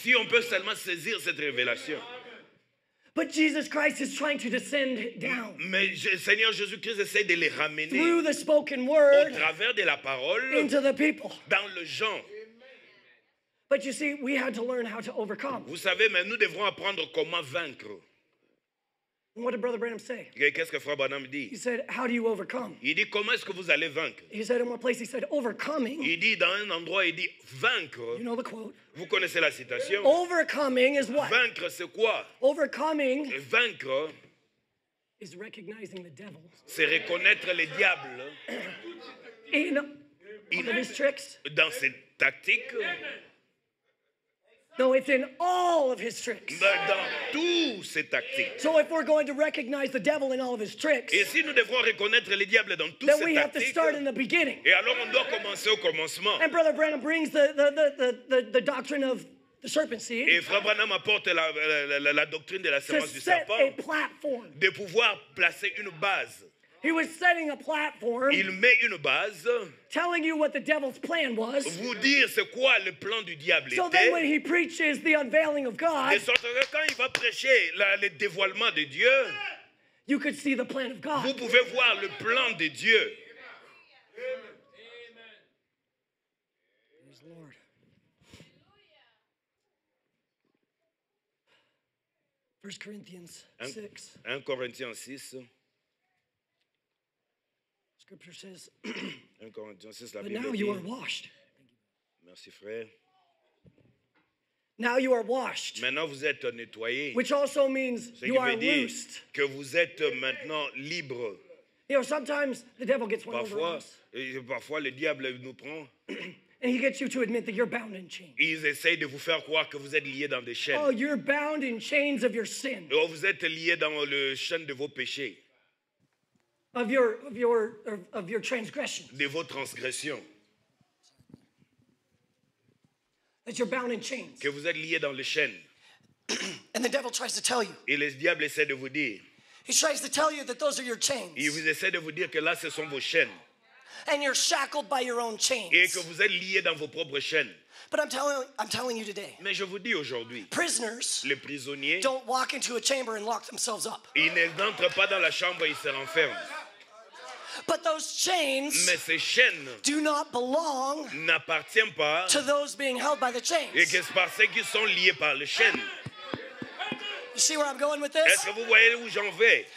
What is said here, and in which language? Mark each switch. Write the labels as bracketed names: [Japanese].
[French] Si on peut seulement saisir cette révélation. [English] But Jesus Christ is trying to descend down. [French] Mais Seigneur Jésus-Christ essaie de les ramener. [English] Through the spoken word. [French] Au travers de la parole. [English] Into the people. [French] Dans le gens. [English] But you see, we had to learn how to overcome. [French] Vous savez, mais nous devons apprendre comment vaincre. [English] What did Brother Branham say? [French] Qu'est-ce que Frère Branham dit? [English] He said, "How do you overcome?" [French] Il dit comment est-ce que vous allez vaincre? [English] He said in one place, he said, "Overcoming." [French] Il dit dans un endroit, il dit vaincre. [English] You know the quote. [French] Vous connaissez la citation. [English] Overcoming is what? [French] Vaincre, c'est quoi? [English] Overcoming. [French] Vaincre. [English] Is recognizing the devil. [French] C'est reconnaître les diables. [English] In all of his tricks. [French] Dans ses tactiques. [English] No, it's in all of his tricks. [French] Dans tous ses tactiques. [English] So if we're going to recognize the devil in all of his tricks, [French] et si nous devons reconnaître les diables dans tous [English] then [French] ses [English] we [French] tactiques, [English] have to start in the beginning. [French] Et alors on doit commencer au commencement. [English] And Brother Branham brings the doctrine of the serpent seed. [French] Et Frère Branham apporte la doctrine de la semence du serpent. [English] To set a platform. [French] De pouvoir placer une base. [English] He was setting a platform. [French] Il met une base. [English] Telling you what the devil's plan was. [French] Vous dire c'est quoi le plan du diable. [English] So then when he preaches the unveiling of God. [French] Quand il va prêcher le dévoilement de Dieu. [English] You could see the plan of God. [French] Vous pouvez voir le plan de Dieu. [English] Amen. Lord. First Corinthians 6. [French] 1 Corinthiens 6. [English] Scripture says, but now you are washed. [French] Merci, frère. [English] Now you are washed. [French] Maintenant vous êtes nettoyé. [English] Which also means you are loosed. [French] Que vous êtes maintenant libre. [English] You know, sometimes the devil gets one [French] parfois, [English] over us. [French] Parfois, le diable nous prend. [English] And he gets you to admit that you're bound in chains. [French] Ils essayent de vous faire croire que vous êtes lié dans des chaînes. [English] Oh, you're bound in chains of your sin. [French] Vous êtes lié dans le chaîne de vos péchés. [English] of your transgression. [French] De vos transgressions. [English] That you're bound in chains. [French] Que vous êtes liés dans les chaînes. [English] And the devil tries to tell you. [French] Et le diable essaie de vous dire. [English] He tries to tell you that those are your chains. [French] Il vous essaie de vous dire que là ce sont vos chaînes. [English] And you're shackled by your own chains. [French] Et que vous êtes liés dans vos propres chaînes. [English] But I'm telling you today. [French] Mais je vous dis aujourd'hui. [English] Prisoners. [French] Les prisonniers. [English] Don't walk into a chamber and lock themselves up. [French] Ils n'entrent pas dans la chambre et ils se renferment. [English] But those chains. [French] Mais ces chaînes. [English] Do not belong. [French] N'appartiennent pas. [English] To those being held by the chains. [French] Et qu'est-ce par ceux qui sont liés par les chaînes. [English] You see where I'm going with this? [French] Est-ce que vous voyez où j'en vais?